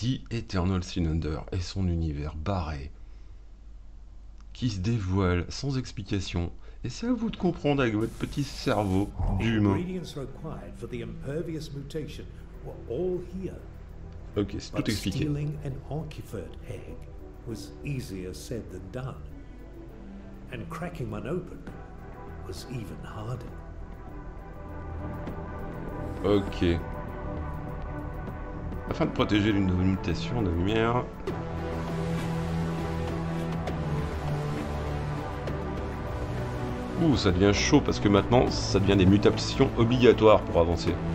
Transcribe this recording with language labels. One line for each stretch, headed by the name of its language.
French: Eternal Cylinder et son univers barré qui se dévoile sans explication, et c'est à vous de comprendre avec votre petit cerveau d'humain. Les ingrédients
English: required for the impervious mutation were all here.
French: Ok, c'est tout expliqué.
English: But stealing an Ankyford egg was easier said than done, and cracking one open was even harder.
French: Ok. Afin de protéger d'une mutation de lumière. Ouh, ça devient chaud parce que maintenant, ça devient des mutations obligatoires pour avancer.